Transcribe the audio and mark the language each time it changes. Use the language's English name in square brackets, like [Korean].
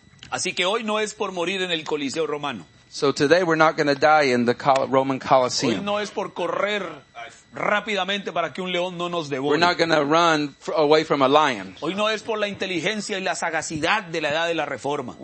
[Spanish] Así que hoy no es por morir en el Coliseo Romano. [English] So today we're not going to die in the Roman Colosseum. [Spanish] Hoy no es por correr rápidamente para que un león no nos devore. [English] We're not going to run away from a lion. [Spanish] Hoy no es por la inteligencia y la sagacidad de la edad de la reforma.